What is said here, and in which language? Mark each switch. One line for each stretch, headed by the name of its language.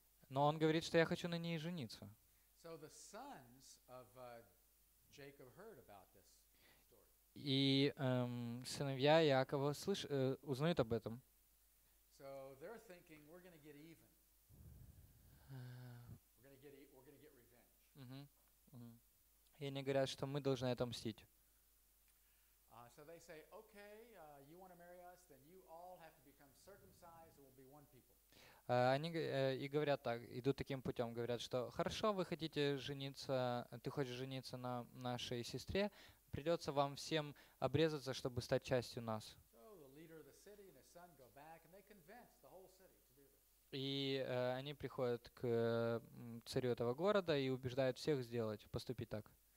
Russian: Но он говорит, что я хочу на ней жениться.
English: So the sons of Jacob heard about this story.
Russian: И сыновья Якова узнают об этом.
English: So they're thinking we're going to get even. We're going to get revenge.
Russian: И они говорят, что мы должны отомстить.
English: So they say, okay, you want to marry us, then you all have to become circumcised, and we'll be one people.
Russian: Они и говорят так, идут таким путем, говорят, что хорошо, вы хотите жениться, ты хочешь жениться на нашей сестре, придется вам всем обрезаться, чтобы стать частью нас.
English: So the leader of the city and his son go back, and they convince the whole city to do this.
Russian: И они приходят к царю этого города и убеждают всех сделать, поступить так.